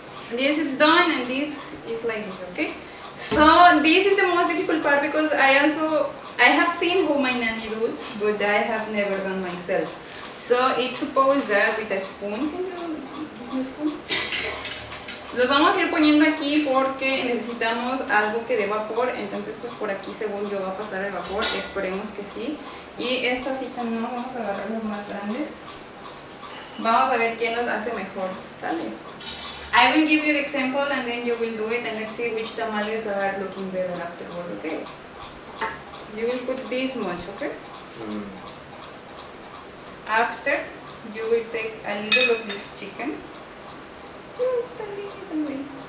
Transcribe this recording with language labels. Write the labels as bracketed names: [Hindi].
[English] This is done and this is like this, okay? So this is the most difficult part because I have seen who my nanny does, but I have never done myself. So it's supposed that with a spoon, can you give me a spoon? [Spanish] Los vamos a ir poniendo aquí porque necesitamos algo que dé vapor, entonces pues por aquí según yo va a pasar el vapor, esperemos que sí. Y esta hojita no, vamos a agarrar los más grandes. Vamos a ver quién los hace mejor, ¿sale? [English] I will give you the example and then you will do it and let's see which tamales are looking better afterwards, ¿ok? You will put this much, ¿ok? After, you will take a little of this chicken. Just a little bit.